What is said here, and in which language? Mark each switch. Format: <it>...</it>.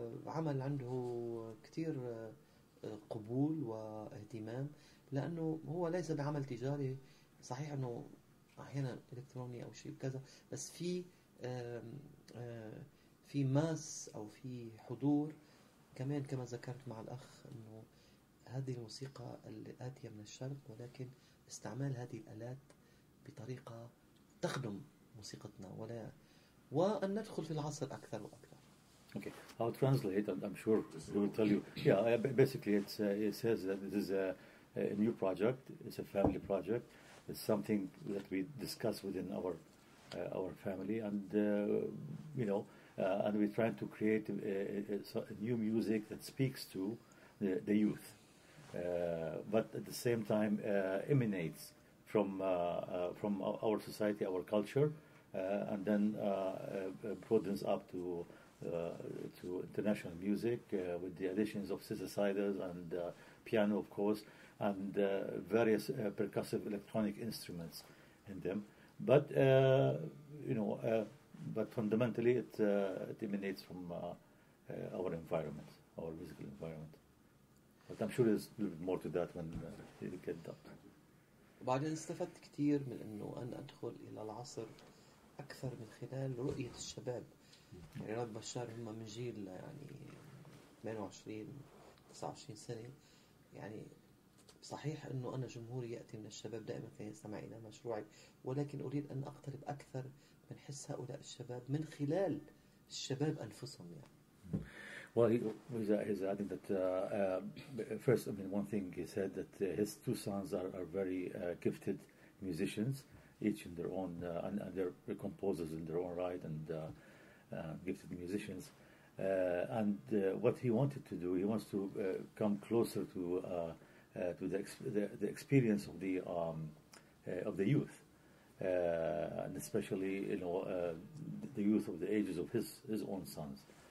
<ar>عمل عنده كتير قبول واهتمام، لأنه هو ليس بعمل تجاري، صحيح أنه أحيانا إلكتروني أو شيء كذا، بس في ماس أو في حضور. كمان كما ذكرت مع الأخ أنه هذه الموسيقى الآتية من الشرق، ولكن استعمال هذه الآلات بطريقة تخدم موسيقتنا، ولا وأن ندخل في العصر أكثر وأكثر.</ar> <en>Okay, I'll translate, and I'm sure he will tell you. Yeah, basically, it's, it says that this is a new project. It's a family project. It's something that we discuss within our family, and you know, and we're trying to create a new music that speaks to the youth, but at the same time emanates from our society, our culture, and then broadens up to international music, with the additions of synthesizers and piano, of course, and various percussive electronic instruments in them. But you know, but fundamentally, it emanates from our environment, our musical environment. But I'm sure there's a little bit more to that when you get that.</en> <ar>بعدين استفدت كتير من إنه أنا أدخل إلى العصر أكثر من خلال رؤية الشباب. يعني رياض بشار هم من جيل يعني 28-29 سنة، يعني صحيح أنه أنا جمهوري يأتي من الشباب دائما كي يستمع إلى مشروعي، ولكن أريد أن أقترب أكثر من حس هؤلاء الشباب من خلال الشباب أنفسهم.</ar> <en>Well, he's adding that first, I mean, one thing he said that his two sons are very gifted musicians, each in their own, and they're composers in their own right, and gifted musicians, and what he wanted to do, he wants to come closer to the experience of the youth, and especially, you know, the youth of the ages of his own sons.</en>